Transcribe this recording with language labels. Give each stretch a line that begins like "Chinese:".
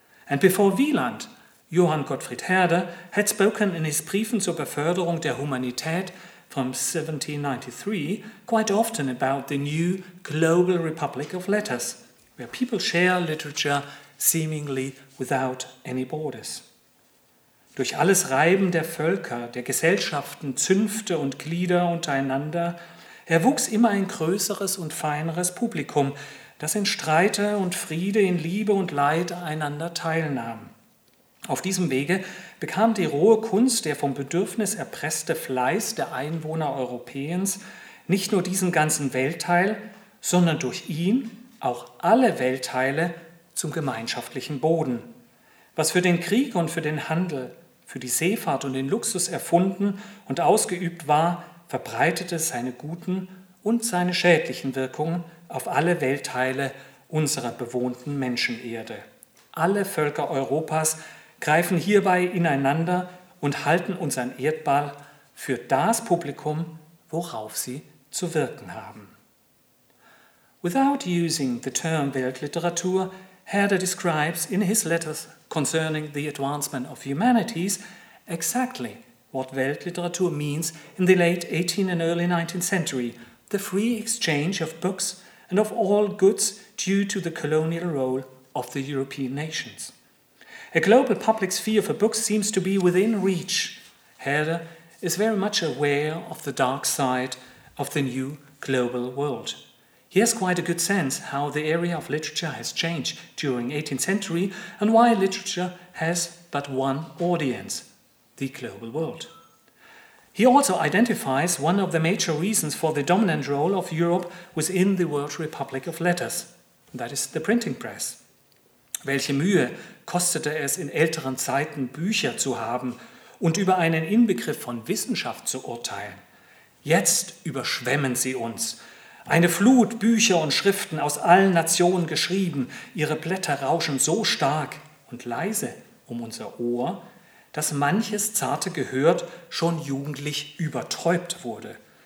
English: And before Wieland, Johann Gottfried Herder had spoken in his Briefen zur Beförderung der Humanität from 1793 quite often about the new global republic of letters, where people share literature seemingly without any borders.
German: Durch alles Reiben der Völker, der Gesellschaften, Zünfte und Glieder untereinander erwuchs immer ein größeres und feineres Publikum, das in Streite und Friede, in Liebe und Leid einander teilnahm. Auf diesem Wege bekam die rohe Kunst, der vom Bedürfnis erpresste Fleiß der Einwohner Europäens, nicht nur diesen ganzen Weltteil, sondern durch ihn auch alle Weltteile zum gemeinschaftlichen Boden. Was für den Krieg und für den Handel, für die Seefahrt und den Luxus erfunden und ausgeübt war, verbreitete seine guten und seine schädlichen Wirkungen auf alle Weltteile unserer bewohnten Menschenerde. Alle Völker Europas greifen hierbei ineinander und halten unseren Erdball für das Publikum, worauf sie zu wirken haben.
English: Without using the term Weltliteratur, Herder describes in his letters concerning the advancement of humanities exactly what Weltliteratur means in the late 18th and early 19th century, the free exchange of books and of all goods due to the colonial role of the European nations. A global public sphere for books seems to be within reach. Herder is very much aware of the dark side of the new global world. He has quite a good sense how the area of literature has changed during the 18th century and why literature has but one audience, the global world. He also identifies one of the major reasons for the dominant role of Europe within the World Republic of Letters, that is the printing press.
German: Welche Mühe kostete es in älteren Zeiten, Bücher zu haben und über einen Inbegriff von Wissenschaft zu urteilen? Jetzt überschwemmen sie uns. Eine Flut Bücher und Schriften aus allen Nationen geschrieben, ihre Blätter rauschen so stark und leise um unser Ohr, dass manches zarte Gehör schon jugendlich übertäubt wurde.